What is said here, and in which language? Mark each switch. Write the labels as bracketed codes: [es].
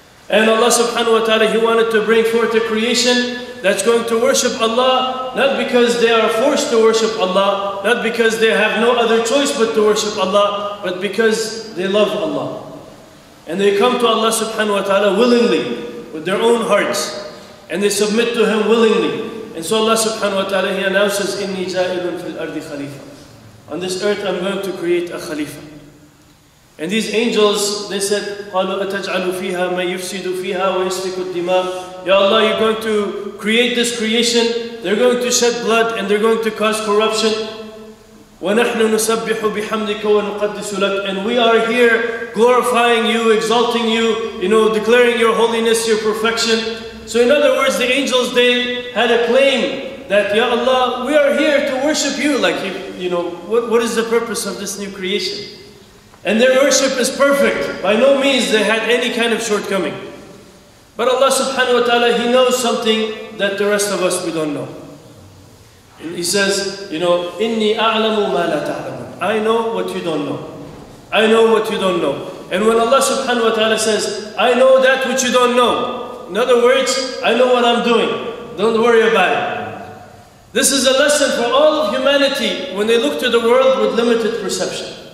[en] And Allah subhanahu wa ta'ala, He wanted to bring forth a creation that's going to worship Allah, not because they are forced to worship Allah, not because they have no other choice but to worship Allah, but because they love Allah. And they come to Allah subhanahu wa ta'ala willingly, with their own hearts. And they submit to Him willingly. And so Allah subhanahu wa ta'ala, He announces, [ar] إِنِّي جَائِلٌ فِي الْأَرْضِ خَلِيفَةً. [en] On this earth I'm going to create a khalifa. And these angels, they said, [ar] قَالُوا أَتَجْعَلُ فِيهَا مَنْ يُفْسِدُ فِيهَا وَيَسْفِكُ الدِّمَاءِ. [en] Ya Allah, You're going to create this creation. They're going to shed blood and they're going to cause corruption. [ar] وَنَحْنُ نُسَبِّحُ بِحَمْدِكَ وَنُقَدِّسُ لَكَ. [en] And we are here glorifying You, exalting You, you know, declaring Your holiness, Your perfection. So in other words, the angels, they had a claim that, Ya Allah, we are here to worship You. Like, you know, what is the purpose of this new creation? And their worship is perfect. By no means they had any kind of shortcoming. But Allah subhanahu wa ta'ala, He knows something that the rest of us, we don't know. He says, you know, [ar] إِنِّي أَعْلَمُ مَا لَا تَعْلَمُ. [en] I know what you don't know. I know what you don't know. And when Allah subhanahu wa ta'ala says, I know that which you don't know. In other words, I know what I'm doing. Don't worry about it. This is a lesson for all of humanity when they look to the world with limited perception.